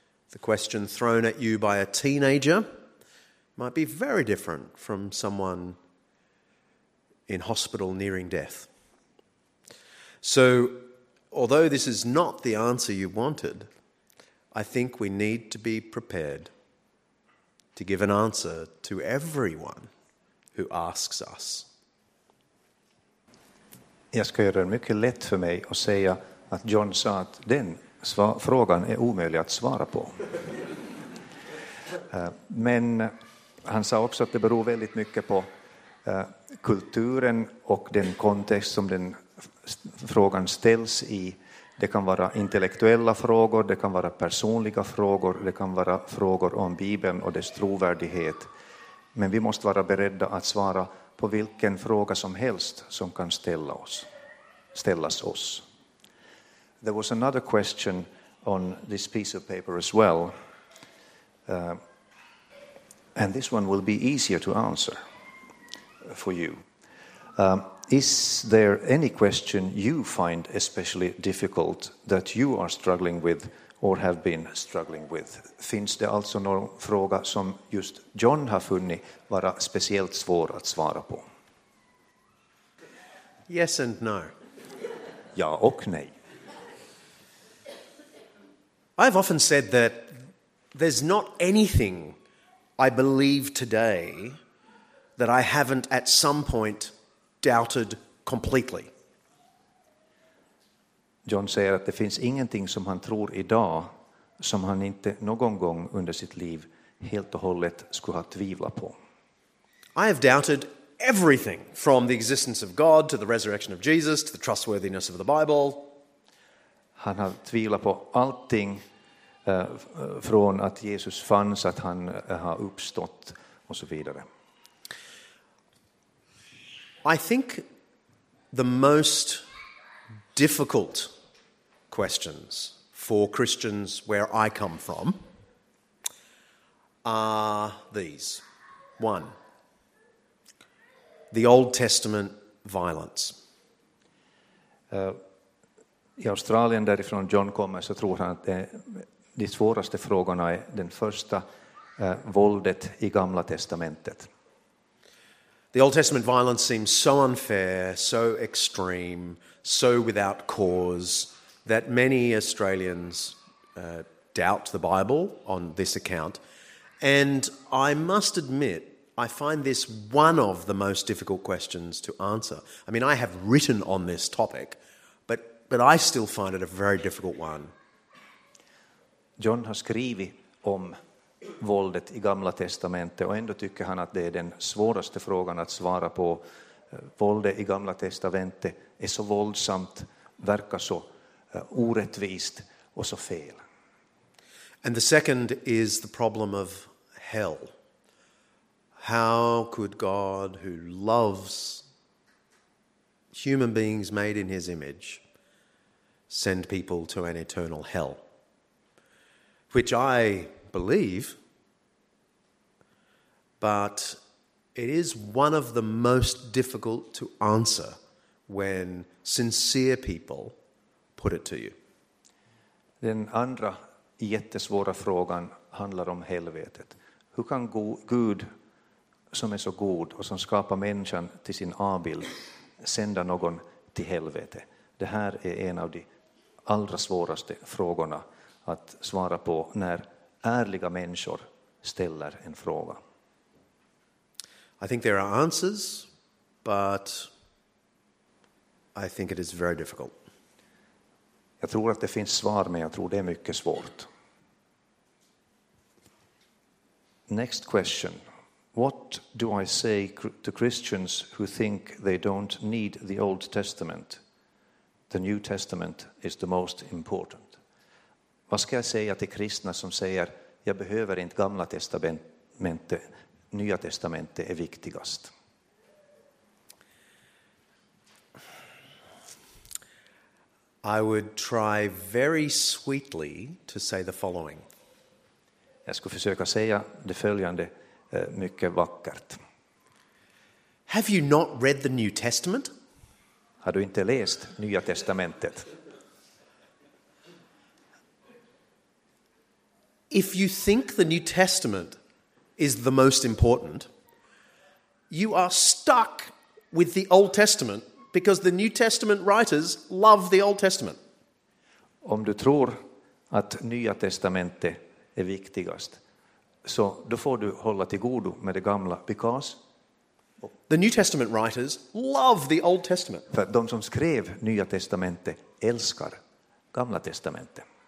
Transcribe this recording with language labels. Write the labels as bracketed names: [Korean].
[English] The question thrown at you by a teenager might be very different from someone in hospital nearing death. So, although this is not the answer you wanted, I think we need to be prepared to give an answer to everyone who asks us. [Swedish] Jag ska göra det mycket lätt för mig och säga att John sa att den frågan är omöjlig att svara på. Men han sa också att det beror väldigt mycket på kulturen och den kontext som den frågan ställs i. Det kan vara intellektuella frågor, det kan vara personliga frågor, det kan vara frågor om Bibeln och dess trovärdighet. Men vi måste vara beredda att svara på vilken fråga som helst som kan ställas oss. [English] There was another question on this piece of paper as well. And this one will be easier to answer for you. Is there any question you find especially difficult that you are struggling with or have been struggling with? [Swedish] Finns det alltså någon fråga som just John har funnit vara speciellt svår att svara på? [English] Yes and no. [Swedish] Ja och nej. [English] I've often said that there's not anything I believe today that I haven't at some point doubted completely. [Swedish] John säger att det finns ingenting som han tror idag som han inte någon gång under sitt liv helt och hållet skulle ha tvivlat på. [English] I have doubted everything from the existence of God to the resurrection of Jesus to the trustworthiness of the Bible. [Swedish] Han har tvivlat på allting från att Jesus fanns, att han har uppstått och så vidare. [English] I think the most difficult questions for Christians where I come from are these. One, the Old Testament violence. [Swedish] I Australien därifrån John kommer så tror han att de svåraste frågorna är den första, våldet i Gamla Testamentet. [English] The Old Testament violence seems so unfair, so extreme, so without cause that many Australians doubt the Bible on this account. And I must admit, I find this one of the most difficult questions to answer. I mean, I have written on this topic, but I still find it a very difficult one. [Swedish] John har skrivit om våldet i Gamla testamentet, och ändå tycker han att det är den svåraste frågan att svara på. Våldet i Gamla testamentet är så våldsamt, verkar så orättvist och så fel. [English] And the second is the problem of hell. How could God, who loves human beings made in his image, send people to an eternal hell? Which I believe, but it is one of the most difficult to answer when sincere people put it to you. [Swedish] Den andra jättesvåra frågan handlar om helvetet. Hur kan Gud, som är så god och som skapar människan till sin avbild, sända någon till helvete? Det här är en av de allra svåraste frågorna att svara på när ärliga människor ställer en fråga. [English] I think there are answers, but I think it is very difficult. [Swedish] Jag tror att det finns svar, men jag tror det är mycket svårt. [English] Next question. What do I say to Christians who think they don't need the Old Testament? The New Testament is the most important. [Swedish] Vad ska jag säga till kristna som säger jag behöver inte Gamla testamentet, Nya testamentet är viktigast? [English] I would try very sweetly to say the following. [Swedish] Jag skulle försöka säga det följande mycket vackert. [English] Have you not read the New Testament? [Swedish] Har du inte läst Nya testamentet? [English] If you think the New Testament is the most important, you are stuck with the Old Testament because the New Testament writers love the Old Testament. [Swedish] Om du tror att Nya testamentet är viktigast, så då får du hålla till godo med det gamla, [English] because the New Testament writers love the Old Testament. [Swedish] För de som skrev Nya testamentet älskar Gamla testamentet.